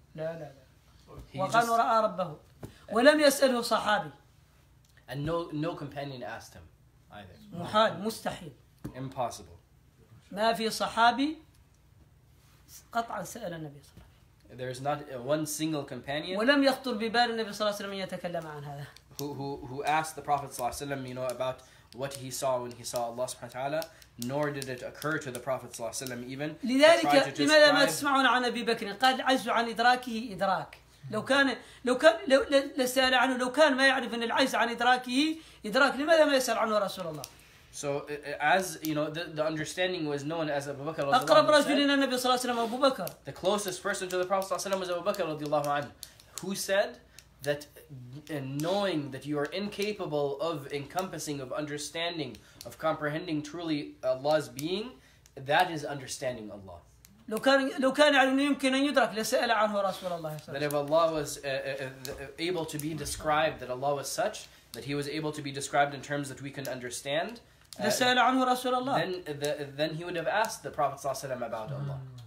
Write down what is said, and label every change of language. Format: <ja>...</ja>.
<ar>لا لا لا وقال رأى ربه ولم يسأله صحابي</ar> <en>and no companion asked him either</en> <ar>محال مستحيل</ar> <en>impossible</en> <ar>ما في صحابي قطعا سأل النبي صلى الله عليه وسلم</ar> <en>there is not one single companion</en> <ar>ولم يخطر ببال النبي صلى الله عليه وسلم يتكلم عن هذا</ar> <en>who asked the Prophet sallallahu alaihi wasallam, you know, about what he saw when he saw Allah subhanahu wa ta'ala, nor did it occur to the Prophet sallallahu alaihi wasallam even.</en> <ar>لذلك لماذا ما تسمعون عن أبي بكر؟ قال العجز عن إدراكه إدراك. لو كان لسأل عنه لو كان ما يعرف أن العجز عن إدراكه إدراك. لماذا ما يسأل عنه رسول الله؟</ar> <en>So as you know, the understanding was known as Abu Bakr.</en> <ar>أقرب رجل إلى النبي صلى الله عليه وسلم أبو بكر.</ar> <en>The closest person to the Prophet sallallahu alaihi wasallam was Abu Bakr رضي الله عنه, who said. That knowing that you are incapable of encompassing, of understanding, of comprehending truly Allah's being, that is understanding Allah. That if Allah was able to be described, that Allah was such, that He was able to be described in terms that we can understand, then He would have asked the Prophet ﷺ about Allah.</en>